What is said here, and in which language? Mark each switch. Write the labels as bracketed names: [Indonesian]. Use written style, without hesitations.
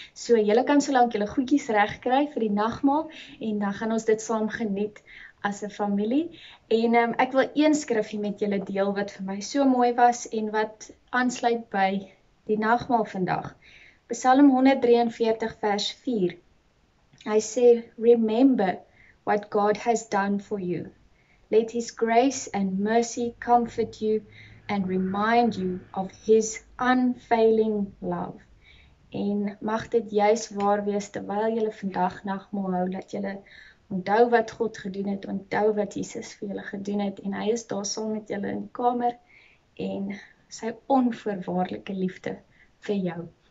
[Afrikaans] So julle kan solank julle goedjies reg kry vir die nagmaal en dan gaan ons dit saam geniet as 'n familie. En ek wil een skrifgie met julle deel wat vir my so mooi was en wat aansluit by die nagmaal vandag. Psalm 143 vers 4. [English] I say, remember what God has done for you. Let his grace and mercy comfort you and remind you of his unfailing love. [Afrikaans] En mag dit juis waar wees terwyl julle vandag nagmaal hou dat julle onthou wat God gedoen het, onthou wat Jesus vir julle gedoen het en hy is daar saam met julle in die kamer en sy onvoorwaardelike liefde vir jou.